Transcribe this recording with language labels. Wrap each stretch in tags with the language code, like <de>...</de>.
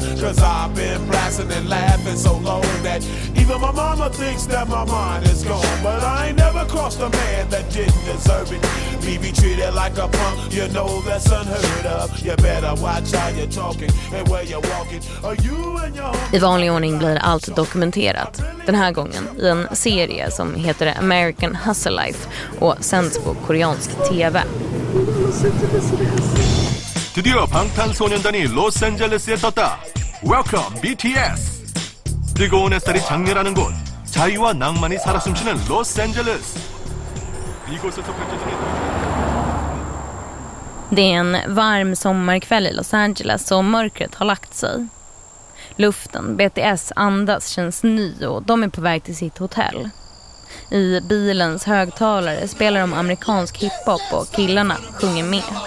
<en>'Cause I've been blasting and laughing so long that even my mama thinks that my mind is gone. But I ain't never crossed a man that didn't deserve it. Be treated like a punk, you know that's unheard of. You better watch how you're talking and where you're walking. Are you and your home?</en> <sv>I vanlig ordning blir allt dokumenterat. Den här gången i en serie som heter American Hustle Life och sänds på koreansk TV.</sv> <en>Los Angeles.</en> <ko>드디어 방탄소년단이 로스앤젤레스에 떴다.</ko> <en>Welcome BTS.</en> <ko>뜨거운 햇살이 장렬하는 곳, 자유와 낭만이 살아 숨쉬는 로스앤젤레스. 이곳에서 펼쳐지는</ko> <sv>Det är en varm sommarkväll i Los Angeles och mörkret har lagt sig. Luften BTS andas känns ny och de är på väg till sitt hotell. I bilens högtalare spelar de amerikansk hiphop och killarna sjunger med.</sv>